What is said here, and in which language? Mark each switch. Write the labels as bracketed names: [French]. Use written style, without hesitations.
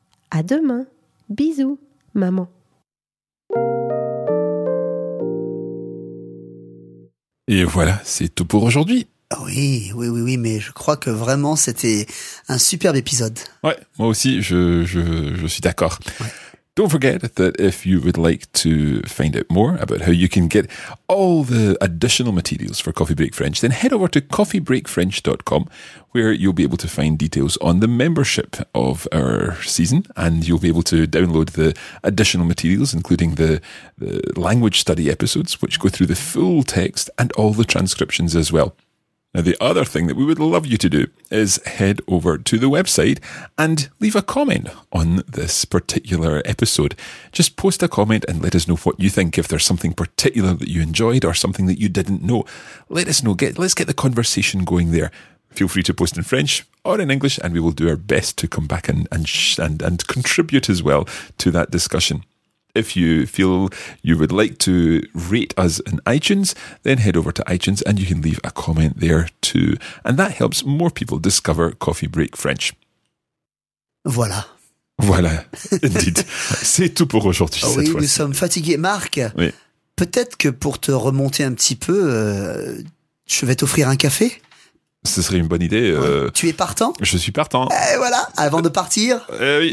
[French] À demain. Bisous, maman. Et voilà, c'est tout pour aujourd'hui. Oui, mais je crois que vraiment c'était un superbe épisode. Ouais, moi aussi, je suis d'accord. Ouais. [English] Don't forget that if you would like to find out more about how you can get all the additional materials for Coffee Break French, then head over to coffeebreakfrench.com, where you'll be able to find details on the membership of our season, and you'll be able to download the additional materials, including the language study episodes, which go through the full text and all the transcriptions as well. Now, the other thing that we would love you to do is head over to the website and leave a comment on this particular episode. Just post a comment and let us know what you think, if there's something particular that you enjoyed or something that you didn't know. Let us know. Let's get the conversation going there. Feel free to post in French or in English, and we will do our best to come back and contribute as well to that discussion. If you feel you would like to rate us in iTunes, then head over to iTunes and you can leave a comment there too. And that helps more people discover Coffee Break French. [French] Voilà. [English] Voilà, indeed. [French] C'est tout pour aujourd'hui. Oui, cette fois-ci. Nous sommes fatigués. Marc, oui. Peut-être que pour te remonter un petit peu, je vais t'offrir un café. Ce serait une bonne idée. Tu es partant? Je suis partant. Et voilà, avant de partir, oui.